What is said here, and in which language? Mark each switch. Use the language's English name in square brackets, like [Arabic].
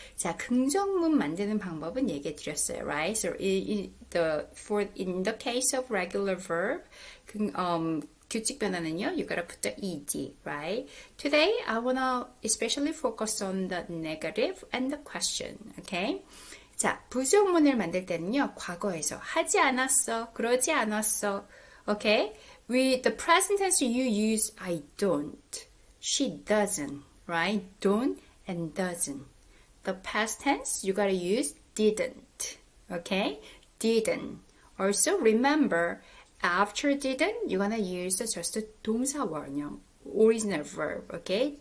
[Korean] 자, 긍정문 만드는 방법은 얘기해 드렸어요, right? [English] So in the case of regular verb, [Korean] 규칙 변화는요, [English] you gotta put the ed, right? Today, I wanna especially focus on the negative and the question, okay? [Korean] 자, 부정문을 만들 때는요, 과거에서 하지 않았어, 그러지 않았어, okay? [English] With the present tense, you use I don't, she doesn't, right? Don't and doesn't. The past tense, you gotta use didn't, okay? Didn't. Also, remember, after didn't, you're gonna use just the [Korean] 동사 원형, [English] original verb, okay?